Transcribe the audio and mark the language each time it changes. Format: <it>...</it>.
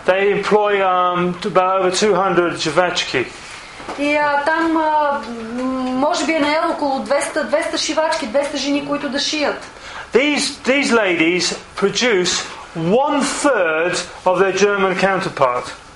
<en>They employ about over 200 шивачки.</en> <bg>И там може би е наел около 200 шивачки, 200 жени, които да шият.</bg> <en>These ladies produce one third of their German counterpart.</en>